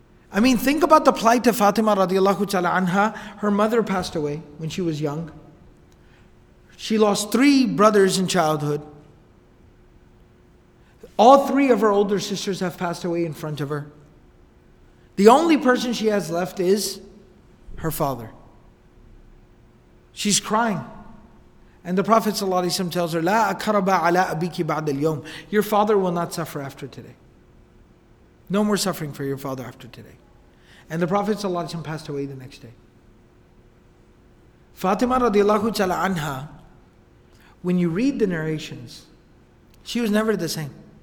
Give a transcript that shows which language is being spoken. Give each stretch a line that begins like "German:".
English: I mean, think about the plight of Fatima radiallahu ta'ala anha. Her mother passed away when she was young. She lost three brothers in childhood. All three of her older sisters have passed away in front of her. The only person she has left is her father. She's crying. And the Prophet ﷺ tells her,
Arabic: لا أكرب على أبيك بعد اليوم.
English: Your father will not suffer after today. No more suffering for your father after today. And the Prophet ﷺ passed away the next day. Fatima radiallahu ta'ala anha, when you read the narrations, she was never the same.